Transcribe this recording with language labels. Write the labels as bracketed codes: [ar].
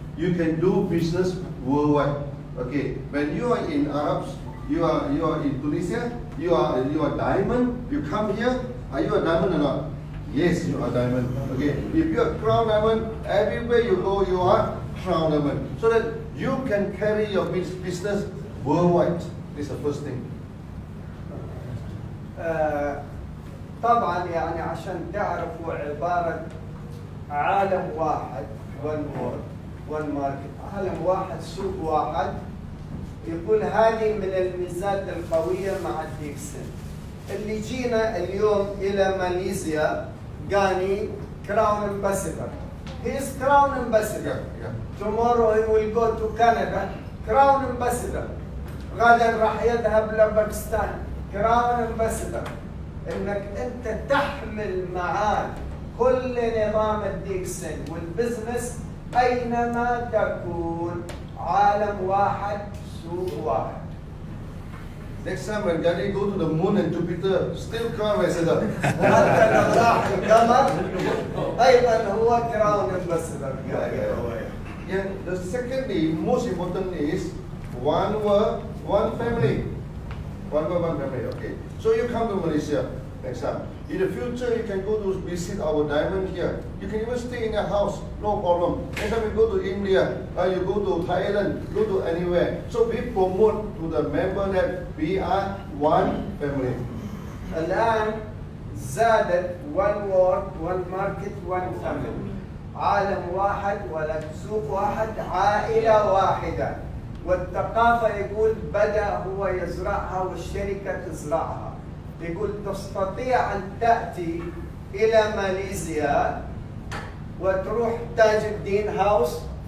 [en] You can do business worldwide. Okay. When you are in Arabs, you are in Tunisia, you are diamond, you come here, are you a diamond or not? Yes, you are diamond. Okay. If you are crown diamond, everywhere you go, you are crown diamond. So that you can carry your business worldwide. This is the first thing. [ar] طبعا يعني عشان تعرفوا عبارة عالم واحد [en] one world one market [ar] عالم واحد سوق واحد يقول هذه من الميزات القوية مع ديكسن اللي جينا اليوم إلى ماليزيا غاني [en] crown ambassador he is crown ambassador yeah, yeah. tomorrow he will go to Canada crown ambassador [ar] غدا راح يذهب لباكستان [en] crown ambassador [ar] انك انت تحمل معاك كل نظام الديكسن والبزنس اينما تكون عالم واحد سوق واحد. [en] Next time when Gandhi go to the moon and Jupiter, still crown ambassador. [ar] حتى لو راح القمر ايضا هو [en] crown ambassador. Yeah. The secondly, most important is one world, one family. One world, one family, okay. So you come to Malaysia. Example. In the future, you can go to visit our diamond here. You can even stay in a house, no problem. Next time you go to India, you go to Thailand, go to anywhere. So we promote to the member that we are one family. [ar] الآن زادت [en] one world, one market, one family. [ar] عالم واحد ولا سوق واحد عائلة واحدة. والثقافة يقول بدأ هو يزرعها والشركة تزرعها. يقول تستطيع أن تأتي إلى ماليزيا وتروح تاج الدين هاوس